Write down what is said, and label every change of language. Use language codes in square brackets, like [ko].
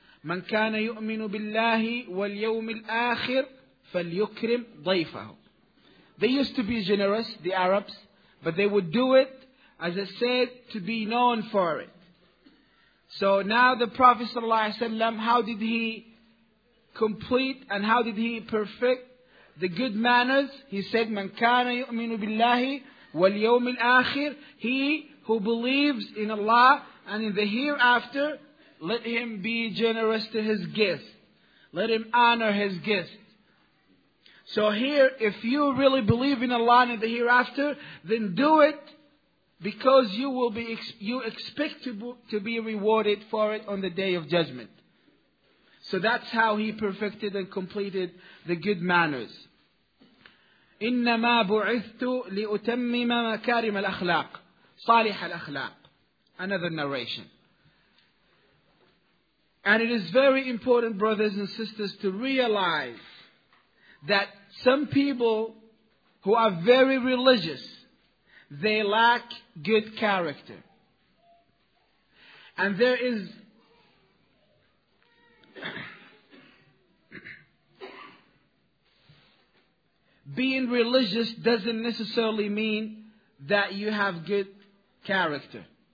[ar] مَنْ كَانَ يُؤْمِنُ بِاللَّهِ وَالْيَوْمِ الْآخِرِ فَلْيُكْرِمْ ضَيْفَهُ. [en] They used to be generous, the Arabs, but they would do it, as I said, to be known for it. So now the Prophet ﷺ, how did he complete and how did he perfect the good manners? He said, [ar] مَنْ كَانَ يُؤْمِنُ بِاللَّهِ وَالْيَوْمِ الْآخِرِ. [en] He who believes in Allah and in the hereafter, let him be generous to his guest. Let him honor his guest. So here, if you really believe in Allah and in the hereafter, then do it because you will be you expect to be rewarded for it on the day of judgment. So that's how he perfected and completed the good manners. [ar] إنما بعثت لأتمم مكارم الأخلاق صالح الأخلاق. [en] Another narration. And it is very important, brothers and sisters, to realize that some people who are very religious, they lack good character. And there is being religious doesn't necessarily mean that you have good character.